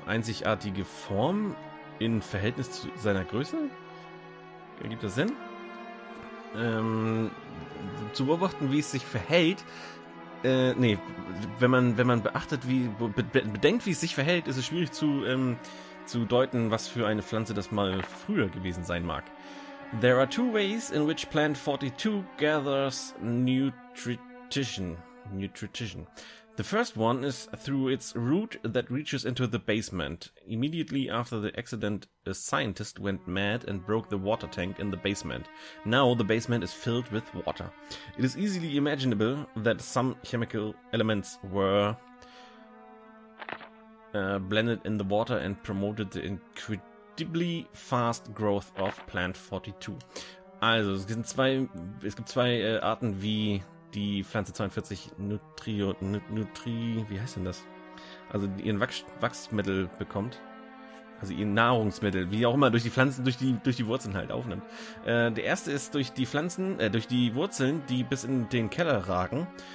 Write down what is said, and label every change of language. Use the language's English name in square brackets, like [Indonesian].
[German] Einzigartige Form in Verhältnis zu seiner Größe? Ergibt das Sinn? Zu beobachten, wie es sich verhält, wenn man bedenkt, wie es sich verhält, ist es schwierig zu deuten, was für eine Pflanze das mal früher gewesen sein mag. [English] There are two ways in which plant 42 gathers nutrition. The first one is through its root that reaches into the basement. Immediately after the accident, a scientist went mad and broke the water tank in the basement. Now the basement is filled with water. It is easily imaginable that some chemical elements were blended in the water and promoted the incredibly fast growth of plant 42. [German] Also, es gibt zwei Arten, wie die Pflanze 42 wie heißt denn das? Also ihren Wachsmittel bekommt. Also ihren Nahrungsmittel, wie auch immer, durch die Pflanzen, durch die Wurzeln halt aufnimmt. Der erste ist durch die Pflanzen, durch die Wurzeln, die bis in den Keller ragen.